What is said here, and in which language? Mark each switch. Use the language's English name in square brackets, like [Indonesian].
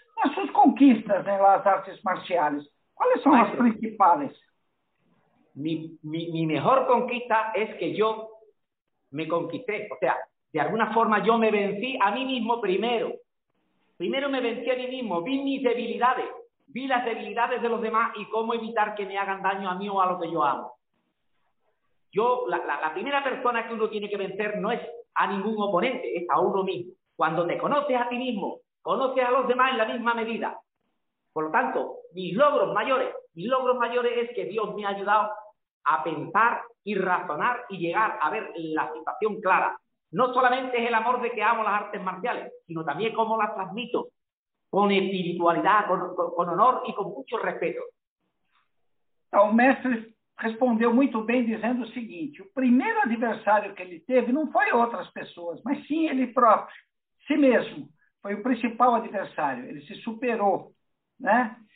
[Portuguese] Mas suas conquistas nas artes marciais, quais são as principais? Minha melhor conquista é que eu [Spanish] me conquisté, o sea, [Portuguese] de alguma forma eu [Spanish] me vencí [Portuguese] a mim mesmo primeiro. Primeiro [Spanish] me vencí [Portuguese] a mim mesmo, vi minhas debilidades. [Spanish] Vi las debilidades de los demás y cómo evitar que me hagan daño a mí o a lo que yo amo. Yo, la primera persona que uno tiene que vencer no es a ningún oponente, es a uno mismo. Cuando te conoces a ti mismo, conoces a los demás en la misma medida. Por lo tanto, mis logros mayores es que Dios me ha ayudado a pensar y razonar y llegar a ver la situación clara. No solamente es el amor de que amo las artes marciales, sino también cómo las transmito. [Portuguese] Com espiritualidade, com honor e com muito respeito. Então, o mestre respondeu muito bem, dizendo o seguinte: o primeiro adversário que ele teve não foi outras pessoas, mas sim ele próprio, si mesmo. Foi o principal adversário, ele se superou. Né?